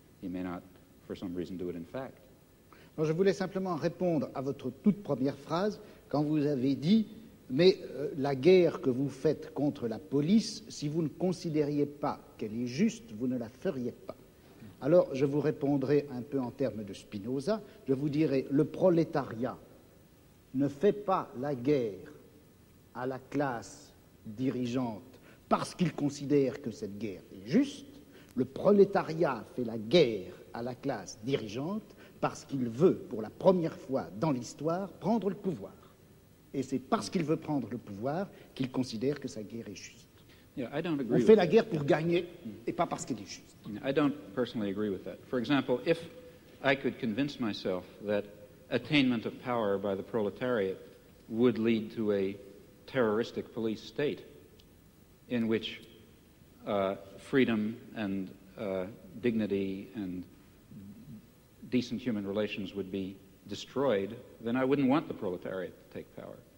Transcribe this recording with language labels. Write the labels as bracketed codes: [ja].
[en] He may not, for some reason, do it in fact. [fr] Non, je voulais simplement répondre à votre toute première phrase quand vous avez dit, mais la guerre que vous faites contre la police, si vous ne considériez pas qu'elle est juste, vous ne la feriez pas. Alors, je vous répondrai un peu en termes de Spinoza. Je vous dirai, le prolétariat ne fait pas la guerre à la classe dirigeante parce qu'il considère que cette guerre est juste. Le prolétariat fait la guerre à la classe dirigeante parce qu'il veut, pour la première fois dans l'histoire, prendre le pouvoir. Et c'est parce qu'il veut prendre le pouvoir qu'il considère que sa guerre est juste. [en] Yeah, I don't agree. [fr] On fait la guerre pour gagner et pas parce qu'il est juste. [en] I don't personally agree with that. For example, if I could convince myself that attainment of power by the proletariat would lead to a terroristic police state in which freedom and dignity and decent human relations would be destroyed, then I wouldn't want the proletariat to take power.